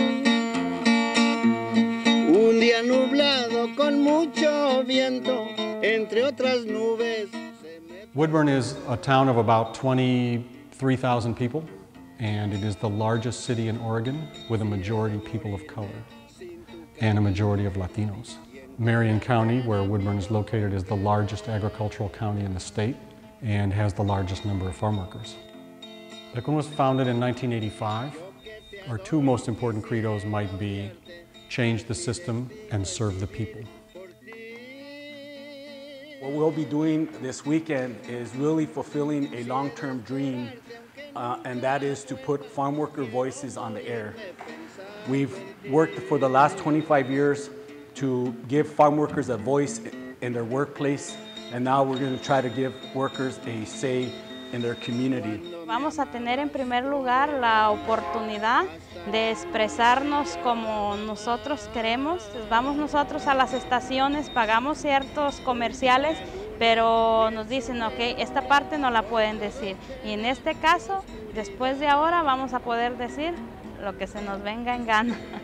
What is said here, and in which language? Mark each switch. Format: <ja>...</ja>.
<es>Un día nublado con mucho viento, entre otras nubes.</es> <en>Woodburn is a town of about 23,000 people. And it is the largest city in Oregon with a majority people of color and a majority of Latinos. Marion County, where Woodburn is located, is the largest agricultural county in the state and has the largest number of farm workers. Picoon was founded in 1985. Our two most important credos might be change the system and serve the people. What we'll be doing this weekend is really fulfilling a long-term dream, and that is to put farm worker voices on the air. We've worked for the last 25 years to give farm workers a voice in their workplace, and now we're going to try to give workers a say in their community.</en> <es>vamos a tener en primer lugar la oportunidad de expresarnos como nosotros queremos. Vamos nosotros a las estaciones, pagamos ciertos comerciales, pero nos dicen, ok, esta parte no la pueden decir. Y en este caso, después de ahora, vamos a poder decir lo que se nos venga en gana.</es>